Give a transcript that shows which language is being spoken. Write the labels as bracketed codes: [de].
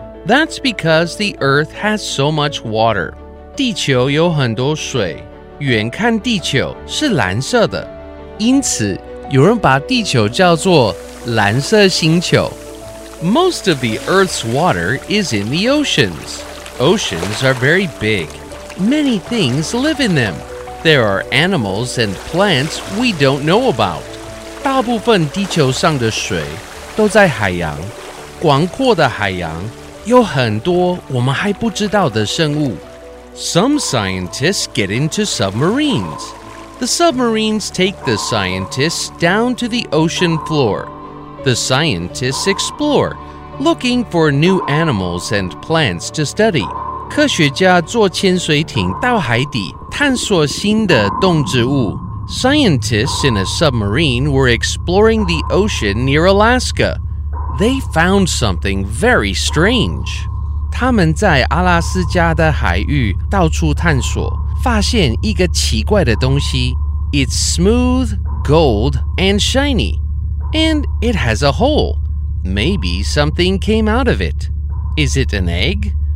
[en] That's because the Earth has so much water. [zh] 地球有很多水，远看地球是蓝色的，因此有人把地球叫做蓝色星球。 [en] Most of the Earth's water is in the oceans. Oceans are very big. Many things live in them. There are animals and plants we don't know about. [zh] 大部分地球上的水都在海洋，广阔的海洋有很多我们还不知道的生物。 [en] Some scientists get into submarines. The submarines take the scientists down to the ocean floor. The scientists explore, looking for new animals and plants to study. [zh] 科学家坐潜水艇到海底探索新的动植物。 [en] Scientists in a submarine were exploring the ocean near Alaska. They found something very strange. [zh] 他們在阿拉斯加的海域到處探索,發現一個奇怪的東西。 [en] It's smooth, gold, and shiny. And it has a hole. Maybe something came out of it. Is it an egg?